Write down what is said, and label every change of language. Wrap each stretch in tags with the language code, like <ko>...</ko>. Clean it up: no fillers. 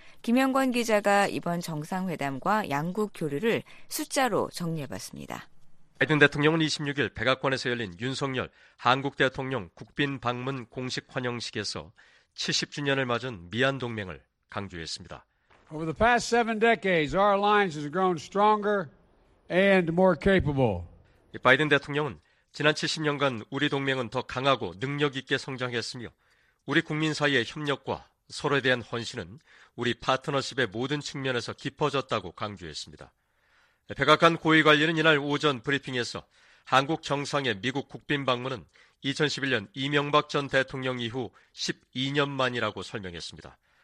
<ko>김영권 기자가 이번 정상회담과 양국 교류를 숫자로 정리해봤습니다. 바이든 대통령은 26일 백악관에서 열린 윤석열 한국 대통령 국빈 방문 공식 환영식에서 70주년을 맞은 미한 동맹을 강조했습니다.</ko> <en>Over the past seven decades, our alliance has grown stronger and more capable.</en> <ko>바이든 대통령은 지난 70년간 우리 동맹은 더 강하고 능력 있게 성장했으며 우리 국민 사이의 협력과 서로에 대한 헌신은 우리 파트너십의 모든 측면에서 깊어졌다고 강조했습니다. 백악관 고위 관리는 이날 오전 브리핑에서 한국 정상의 미국 국빈 방문은 2011년 이명박 전 대통령 이후 12년 만이라고 설명했습니다.</ko>